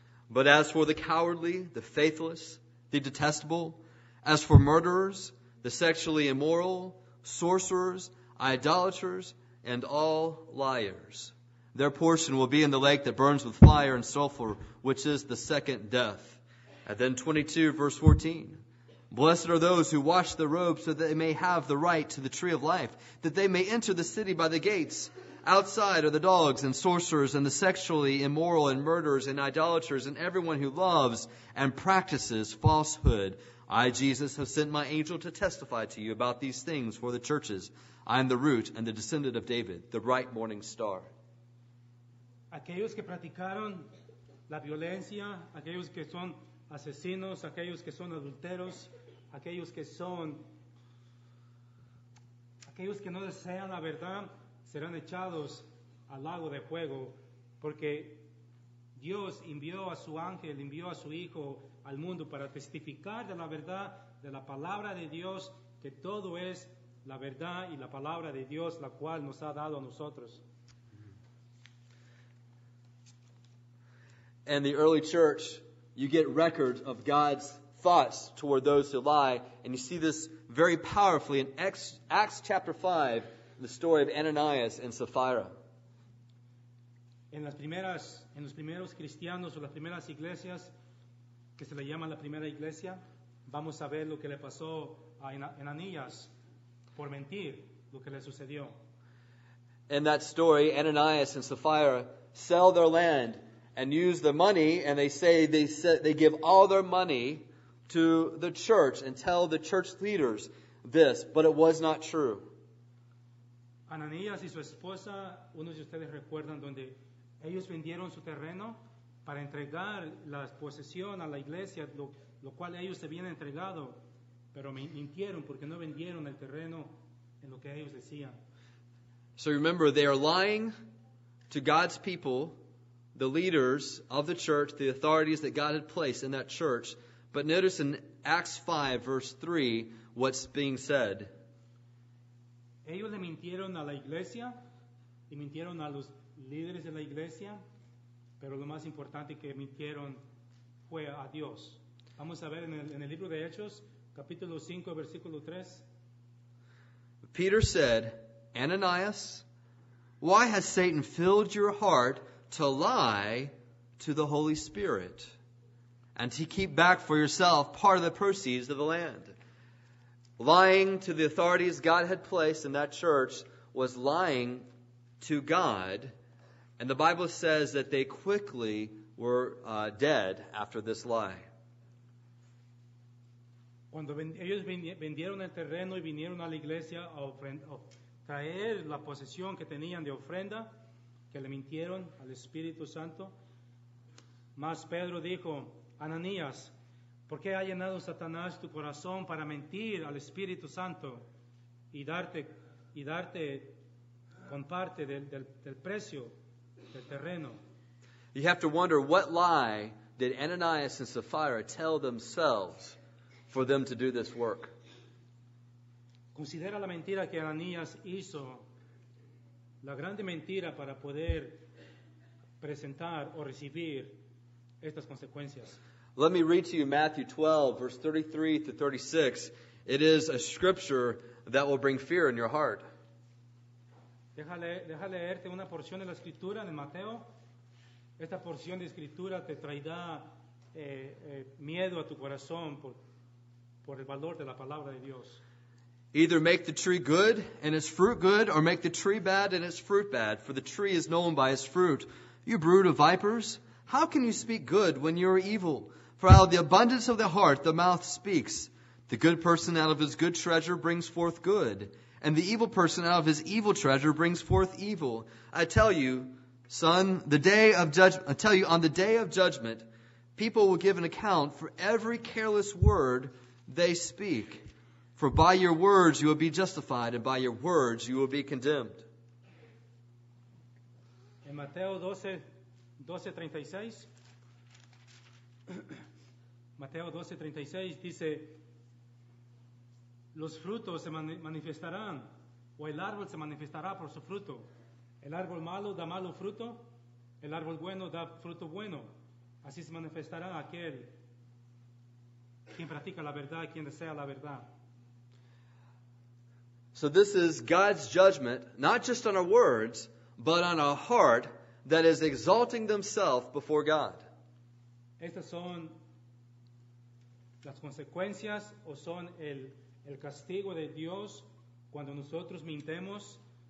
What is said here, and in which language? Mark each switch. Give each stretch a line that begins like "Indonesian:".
English: But as for the cowardly, the faithless, the detestable, as for murderers, the sexually immoral, sorcerers, idolaters, and all liars, their portion will be in the lake that burns with fire and sulfur, which is the second death. And then 22, verse 14. Blessed are those who wash their robes so that they may have the right to the tree of life, that they may enter the city by the gates. Outside are the dogs and sorcerers and the sexually immoral and murderers and idolaters and everyone who loves and practices falsehood. I, Jesus, have sent my angel to testify to you about these things for the churches. I am the root and the descendant of David, the bright morning star.
Spanish: Aquellos que practicaron la violencia, aquellos que son asesinos, aquellos que son adulteros, aquellos que no desean la verdad, serán echados al lago de fuego, porque Dios envió a su ángel, envió a su hijo al mundo para testificar de la verdad, de la palabra de Dios, que todo es la verdad y la palabra de Dios, la cual nos ha dado a nosotros.
English: In the early church, you get records of God's thoughts toward those who lie, and you see this very powerfully in Acts chapter 5, the story of Ananias and Sapphira.
Spanish: En los primeros cristianos o las primeras iglesias, que se le llama la primera iglesia, vamos a ver lo que le pasó a Ananias por mentir, lo que le sucedió.
English: In that story, Ananias and Sapphira sell their land and use the money, and they give all their money to the church and tell the church leaders this, but it was not true.
Spanish: Ananías y su esposa, unos de ustedes recuerdan donde ellos vendieron su terreno para entregar la posesión a la iglesia, lo cual ellos se habían entregado, pero mintieron porque no vendieron el terreno en lo que ellos decían.
English: So remember, they are lying to God's people, the leaders of the church, the authorities that God had placed in that church. But notice in Acts 5, verse 3, what's being said.
Spanish: Ellos le mintieron a la iglesia, y mintieron a los líderes de la iglesia, pero lo más importante que mintieron fue a Dios. Vamos a ver en el libro de Hechos, capítulo 5, versículo 3.
English: Peter said, Ananias, why has Satan filled your heart to lie to the Holy Spirit and to keep back for yourself part of the proceeds of the land? Lying to the authorities God had placed in that church was lying to God. And the Bible says that they quickly were dead after this lie.
Spanish: Cuando ellos vendieron el terreno y vinieron a la iglesia traer la posesión que tenían de ofrenda, que le mintieron al Espíritu Santo. Mas Pedro dijo, Ananías, ¿por qué ha llenado Satanás tu corazón para mentir al Espíritu Santo y darte con parte del precio del terreno?
English: You have to wonder, what lie did Ananias and Sapphira tell themselves for them to do this work?
Spanish: Considera la mentira que Ananías hizo, la grande mentira para poder presentar o recibir estas consecuencias.
English: Let me read to you Matthew 12, verse 33 to 36. It is a scripture that will bring fear in your heart.
Spanish: Deja leerte una porción de la escritura de Mateo. Esta porción de escritura te traerá miedo a tu corazón por el valor de la palabra de Dios.
English: Either make the tree good and its fruit good, or make the tree bad and its fruit bad, for the tree is known by its fruit. You brood of vipers, how can you speak good when you are evil? For out of the abundance of the heart the mouth speaks. The good person out of his good treasure brings forth good, and the evil person out of his evil treasure brings forth evil. I tell you, son, on the day of judgment, people will give an account for every careless word they speak. For by your words you will be justified, and by your words you will be condemned.
Spanish: En Mateo 12:36, Mateo 12:36 dice, los frutos se manifestarán, o el árbol se manifestará por su fruto. El árbol malo da malo fruto, el árbol bueno da fruto bueno. Así se manifestará aquel quien practica la verdad, quien desea la verdad.
English: So this is God's judgment, not just on our words, but on our heart that is exalting themselves before God.
Spanish: Estas son las consecuencias o son el castigo de Dios cuando nosotros mintemos.